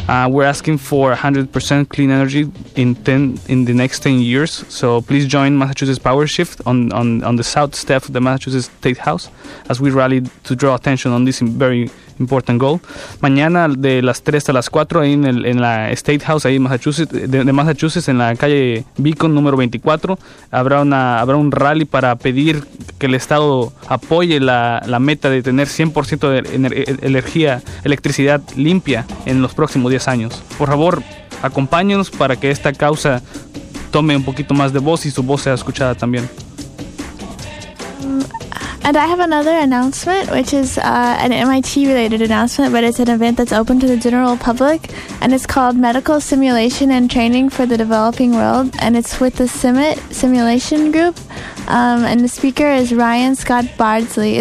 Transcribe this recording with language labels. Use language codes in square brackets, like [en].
[en] We're asking for 100% clean energy in the next 10 years. So please join Massachusetts Power Shift on the south step of the Massachusetts State House as we rally to draw attention on this very important goal. [es] Mañana de las 3 a las 4 ahí en la State House ahí en Massachusetts, de Massachusetts en la calle Beacon número 24, habrá un rally para pedir que el Estado apoye la meta de tener 100% de electricidad limpia en los próximos 10 años. Por favor, acompáñenos para que esta causa tome un poquito más de voz y su voz sea escuchada también. [en] And I have another announcement, which is an MIT-related announcement, but it's an event that's open to the general public, and it's called Medical Simulation and Training for the Developing World, and it's with the CIMIT Simulation Group, and the speaker is Ryan Scott Bardsley.